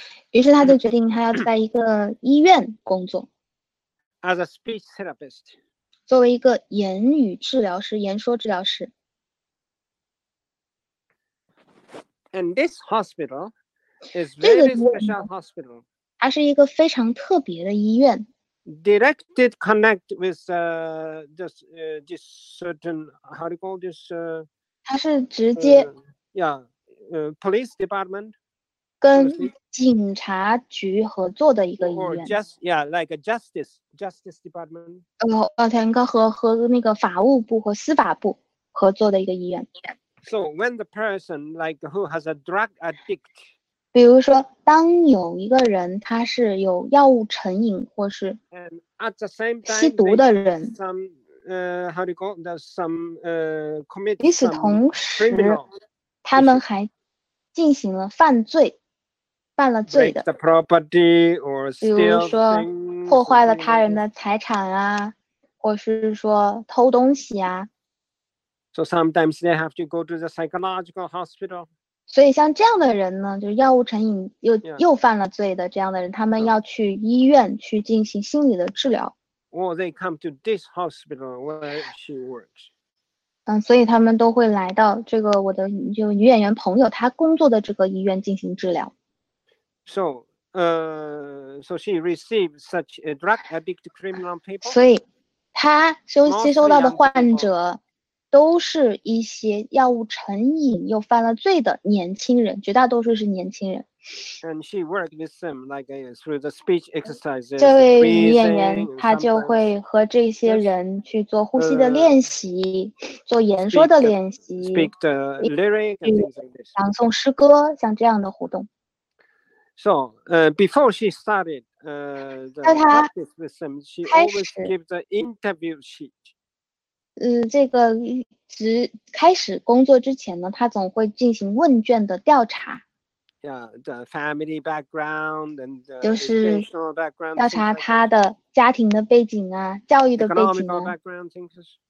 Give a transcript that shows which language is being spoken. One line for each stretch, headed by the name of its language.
Chinese: 于是他就决定他要在一个医院工作
English: ，as a speech therapist，
Chinese: 作为一个言语治疗师、言说治疗师。
English: And this hospital is very special hospital.
Chinese: 它是一个非常特别的医院。
English: Directed connect with this certain how do you call this?
Chinese: 它是直接。
English: Police department.
Chinese: 跟警察局合作的一个医院
English: like a justice department
Chinese: 和那个法务部和司法部合作的一个医院
English: so when the person like who has a drug addict
Chinese: 比如说当有一个人他是有药物成瘾或是吸毒的人
English: how do you call that commit
Chinese: 与此同时他们还进行了犯罪犯了罪的
English: the property or steal
Chinese: 比如说破坏了他人的财产啊或是说偷东西啊
English: so sometimes they have to go to the psychological hospital
Chinese: 所以像这样的人呢就是药物成瘾又犯了罪的这样的人他们要去医院去进行心理的治疗
English: or they come to this hospital where she works
Chinese: 所以他们都会来到这个我的就女演员朋友她工作的这个医院进行治疗
English: So she received such a drug addict criminal people.
Chinese: 所以，她接收到的患者都是一些药物成瘾又犯了罪的年轻人，绝大多数是年轻人。
English: And she worked with them like through the speech exercises.
Chinese: 这位女演员她就会和这些人去做呼吸的练习，做言说的练习
English: ，speak the lyric and things like this.
Chinese: 朗诵诗歌，像这样的互动。
English: So, before she started, the practice with them, she always gave the interview sheet.
Chinese: 这个只开始工作之前呢，她总会进行问卷的调查。
English: The family background and the
Chinese: 就是
English: educational background,
Chinese: 调查她的家庭的背景啊，教育的背景啊，
English: economical background, things,